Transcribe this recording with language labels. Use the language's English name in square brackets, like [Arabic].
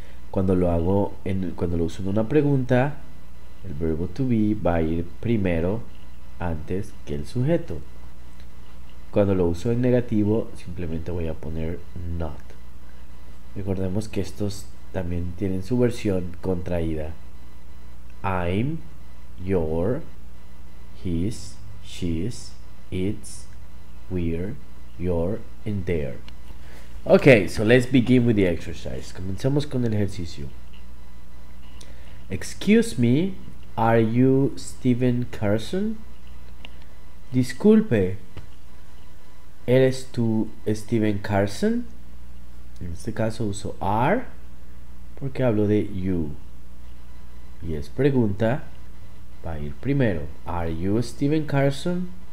[Spanish] Cuando lo uso en una pregunta, el verbo to be va a ir primero antes que el sujeto. Cuando lo uso en negativo, simplemente voy a poner not. Recordemos que estos también tienen su versión contraída. [English] I'm, your, his, she's, it's, we're, your, and there. Ok, so let's begin with the exercise. [Spanish] Comencemos con el ejercicio. [English] Excuse me, are you Steven Carson? [Spanish] Disculpe, ¿eres tú Steven Carson? En este caso uso are porque hablo de you. Y es pregunta, va a ir primero. [English] Are you Steven Carson?